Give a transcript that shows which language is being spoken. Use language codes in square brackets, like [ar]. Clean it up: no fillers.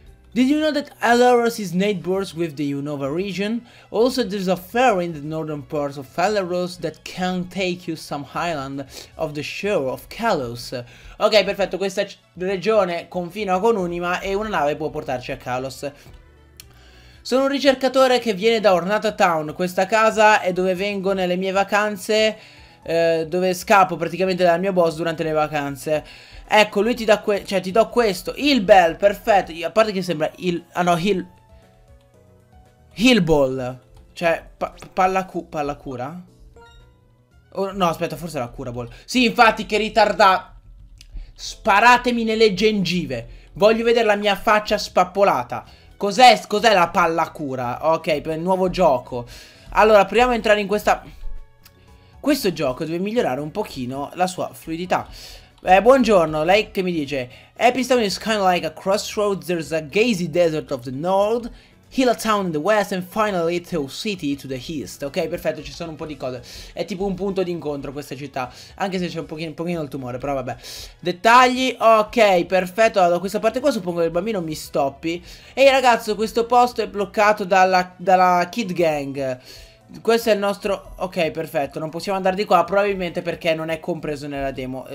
[en] Did you know that Alaros is neighbors with the Unova region? Also, there's a fair in the northern part of Alaros that can take you some island of the shore of Kalos. [it] Ok, perfetto, questa regione confina con Unima e una nave può portarci a Kalos. Sono un ricercatore che viene da Ornata Town, questa casa è dove vengo nelle mie vacanze, dove scappo praticamente dal mio boss durante le vacanze. Ecco, lui ti dà cioè ti do questo, il bell, perfetto. Io, a parte che sembra il ah no, il Hill Ball. Cioè palla cura? Oh, no, aspetta, forse la cura ball. Sì, infatti che ritarda. Sparatemi nelle gengive. Voglio vedere la mia faccia spappolata. Cos'è la palla cura? Ok, per il nuovo gioco. Allora, proviamo a entrare in questa. Questo gioco deve migliorare un pochino la sua fluidità. Buongiorno, lei che mi dice? [en] Epistone is kind of like a crossroads. There's a gazy desert of the north, hill town in the west, and finally Teo City to the east. [it] Ok, perfetto, ci sono un po' di cose. È tipo un punto di incontro questa città. Anche se c'è un pochino il tumore, però vabbè. Dettagli, ok, perfetto. Allora, questa parte qua suppongo che il bambino mi stoppi. Ehi ragazzo, questo posto è bloccato dalla Kid Gang. Questo è il nostro. Ok, perfetto. Non possiamo andare di qua. Probabilmente perché non è compreso nella demo.